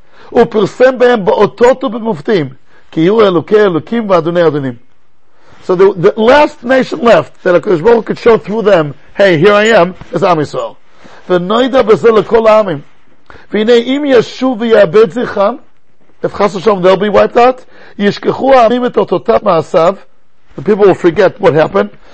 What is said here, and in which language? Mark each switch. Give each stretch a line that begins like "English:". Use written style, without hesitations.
Hebrew: הוא פרסם בהם באותות ובמופתים, כי יהיו אלוקי אלוקים ואדוני אדונים.
English: So the last nation left, that HaKadosh Baruch Hu could show through them, hey, here I am, is Am Yisrael.
Hebrew: ונוידע בזה לכל העמים. והנה אם ישוב ויאבד זכרם,
English: if
Hebrew: חס ושלום
English: they'll be wiped out,
Hebrew: ישכחו העמים את אותותיו מעשיו,
English: the people will forget what happened.